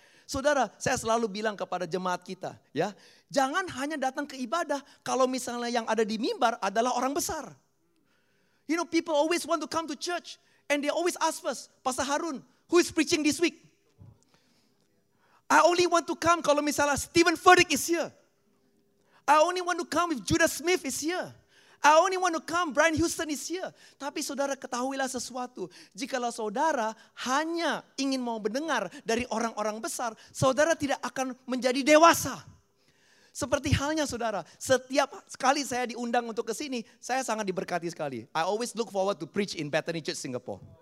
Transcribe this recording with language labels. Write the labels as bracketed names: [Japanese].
[Indonesian] Saudara, saya selalu bilang kepada jemaat kita, ya, jangan hanya datang ke ibadah kalau misalnya yang ada di mimbar adalah orang besar. [English] You know, people always want to come to church and they always ask us, Pastor Harun, who is preaching this week? I only want to come [Indonesian] kalau misalnya [English] Stephen Furtick is here. I only want to come if Judah Smith is here. I only want to come Brian Houston is here. [Indonesian] Tapi saudara, ketahuilah sesuatu. Jikalau saudara hanya ingin mau mendengar dari orang-orang besar, saudara tidak akan menjadi dewasa. Seperti halnya saudara, setiap sekali saya diundang untuk kesini, saya sangat diberkati sekali. [English] I always look forward to preach in Bethany Church Singapore.